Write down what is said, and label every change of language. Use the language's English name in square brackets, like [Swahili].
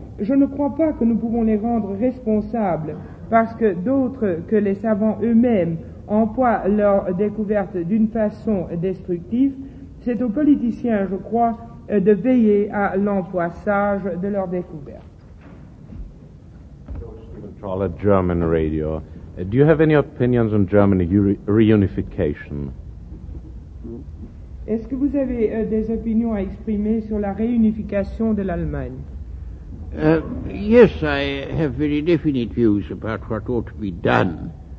[French] Je ne crois pas que nous pouvons les rendre responsables parce que d'autres que les savants eux-mêmes emploient leur découverte d'une façon destructive. C'est aux politiciens, je crois, de veiller à l'emploi sage de leur découverte. [English] German radio. Do you have any opinions on German reunification? [French] Est-ce que vous avez des opinions à exprimer sur la réunification de l'Allemagne? [English] Yes, I have very definite views about what ought to be done.